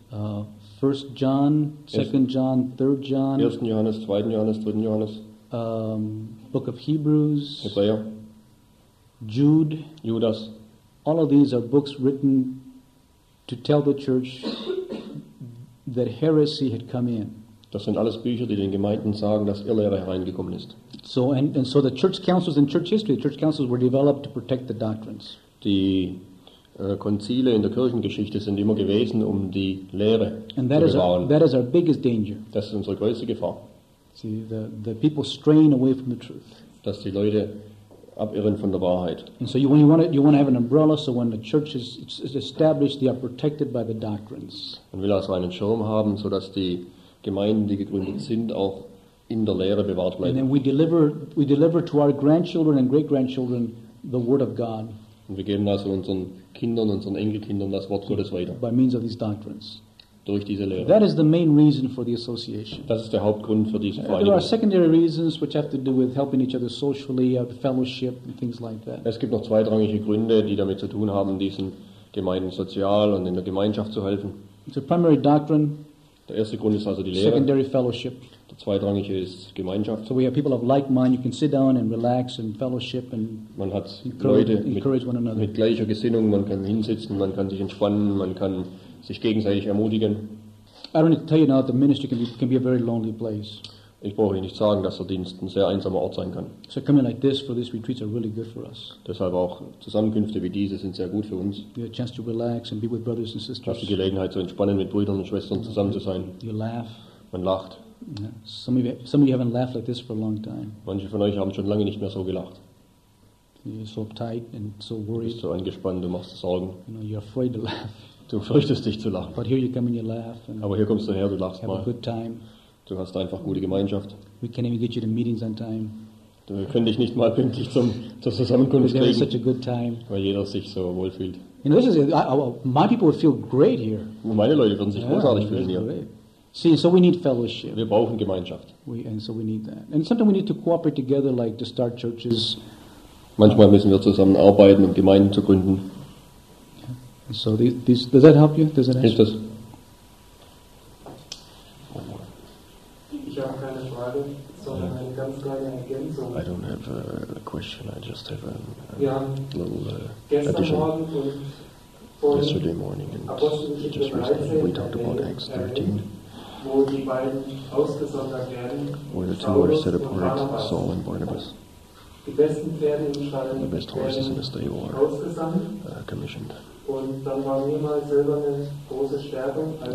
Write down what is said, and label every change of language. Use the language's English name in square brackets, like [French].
[English] 1 John, 2 John, 3 John, [German] 1. Johannes, 2. Johannes, 3. Johannes, [English] book of Hebrews, [German] Hebräer, [English] Jude, [German] Judas. [English] All of these are books written to tell the church that heresy had come in. [German] Das sind alles Bücher, die den Gemeinden sagen, dass Irrlehre hereingekommen ist. [English] So and so the church councils in church history, church councils were developed to protect the doctrines. [German] Die Konzile in der Kirchengeschichte sind immer gewesen, um die Lehre [English] and that [German] zu bewahren. [English] That is our biggest danger. [German] Das ist unsere größte Gefahr. [English] See, the people strain away from the truth. [German] Dass die Leute abirren von der Wahrheit. [English] And so you want to have an umbrella, so when the church is established, they are protected by the doctrines. [German] Man will also einen Schirm haben, so dass die Gemeinden, die gegründet sind, auch in der Lehre bewahrt bleiben. [English] And then we deliver to our grandchildren and great grandchildren the word of God. [German] Und wir geben also unseren Kindern, unseren Enkelkindern das Wort Gottes weiter. [English] By means of these doctrines. [German] Durch diese Lehre. [English] That is the main reason for the association. [German] Das ist der Hauptgrund für diese Vereinigung. [English] There are secondary reasons which have to do with helping each other socially, fellowship and things like that. [German] Es gibt noch zweitrangige Gründe, die damit zu tun haben, diesen Gemeinden sozial und in der Gemeinschaft zu helfen. [English] It's a primary doctrine. [German] Der erste Grund ist also die Lehre. [English] Secondary fellowship. [German] Der zweitrangige ist Gemeinschaft. [English] So we have people of like mind. You can sit down and relax and fellowship and [German] man hat Leute mit gleicher Gesinnung. Man kann hinsitzen, man kann sich entspannen, man kann sich gegenseitig ermutigen. [English] I don't need to tell you now that the ministry can be a very lonely place. [German] Ich brauche Ihnen nicht sagen, dass der Dienst ein sehr einsamer Ort sein kann. [English] So coming like this for these retreats are really good for us. [German] Deshalb auch Zusammenkünfte wie diese sind sehr gut für uns. [English] You have a chance to relax and be with brothers and sisters. [German] Hast die Gelegenheit zu entspannen mit Brüdern und Schwestern zusammen zu sein. [English] You laugh. [German] Man lacht. [English] Yeah. Some of you haven't laughed like this for a long time. [German] Manche von euch haben schon lange nicht mehr so gelacht. [English] You're so tight and so worried. [German] Du bist so angespannt, du machst Sorgen. [English] You know, you're afraid to laugh. [German] Du fürchtest dich zu lachen. [English] But here you come and you laugh and [German] aber hier kommst du her, du lachst [English] have [German] mal. [English] A good time. [German] Du hast einfach gute Gemeinschaft. [English] We can't even get you to meetings on time. [German] Wir können dich nicht mal pünktlich zur Zusammenkunft kriegen. [English] Because such a good time. [German] Weil jeder sich so wohl fühlt. [English] You know, my people would feel great here. [German] Und meine Leute würden sich großartig fühlen hier. [English] See, so we need fellowship. [German] Wir brauchen Gemeinschaft. [English] And so we need that. And sometimes we need to cooperate together, like to start churches. [German] Manchmal müssen wir zusammenarbeiten, um Gemeinden zu gründen. [English] So these, does that help you? Does that help? [German] Ist das? Ich habe keine Frage, sondern eine ganz kleine Ergänzung. [English] I don't have a question, I just have a little addition. [German] Morgen und [English] yesterday morning and just recently we talked about Acts 13, [German] wo die beiden ausgesondert werden, [English] where the two are set apart, Saul and Barnabas. [German] Die besten Pferde im Stall, [English] the best horses in the stable are commissioned. [German] Und dann war mir mal selber eine große Stärkung als